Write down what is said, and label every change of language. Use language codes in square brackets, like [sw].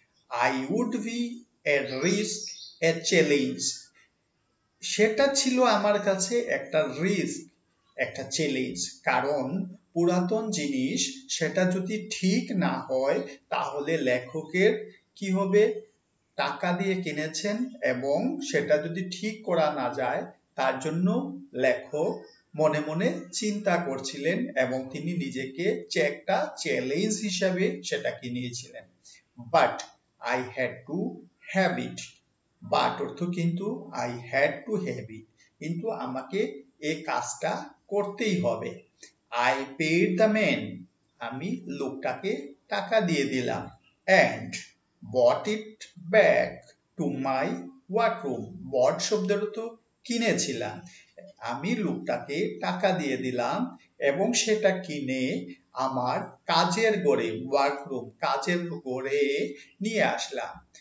[en] I would be at risk a challenge, [bn] সেটা ছিল আমার কাছে একটা রিস্ক একটা চ্যালেঞ্জ, কারণ পুরাতন জিনিস সেটা যদি ঠিক না হয় তাহলে লেখকের কি হবে, টাকা দিয়ে কিনেছেন এবং সেটা যদি ঠিক করা না যায় তার জন্য লেখক মনে মনে চিন্তা করছিলেন এবং তিনি নিজেকে একটা চ্যালেঞ্জ হিসাবে সেটাকে নিয়েছিলেন। [en] but I had to have it, but [bn] অর্থ কিন্তু [en] I had to have it, [bn] কিন্তু আমাকে এই কাজটা করতেই হবে। [en] I paid the man, [bn] আমি লোকটাকে টাকা দিয়ে দিলাম, [en] and bought it back to my workroom, [bn] bought শব্দের অর্থ কিনেছিলাম, আমি লোকটাকে টাকা দিয়ে দিলাম এবং সেটা কিনে আমার কাজের গড়ে, ওয়ার্করুম, কাজের গড়ে নিয়ে আসলাম।